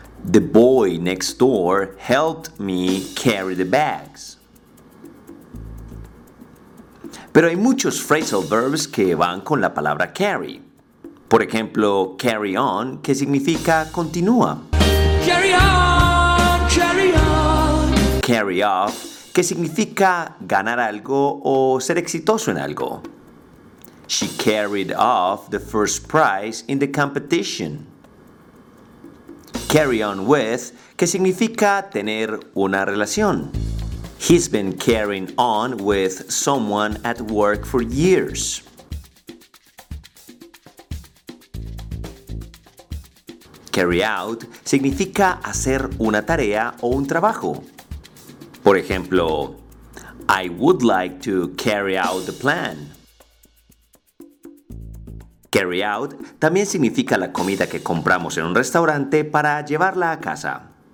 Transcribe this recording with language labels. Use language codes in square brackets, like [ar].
[en] The boy next door helped me carry the bags. [es] Pero hay muchos phrasal verbs que van con la palabra carry. Por ejemplo, carry on, que significa continúa. [en] Carry on, carry on. [es] Carry off, que significa ganar algo o ser exitoso en algo. [en] She carried off the first prize in the competition. [es] Carry on with, que significa tener una relación. [en] He's been carrying on with someone at work for years. [es] Carry out significa hacer una tarea o un trabajo. Por ejemplo, [en] I would like to carry out the plan. [es] Carry out también significa la comida que compramos en un restaurante para llevarla a casa.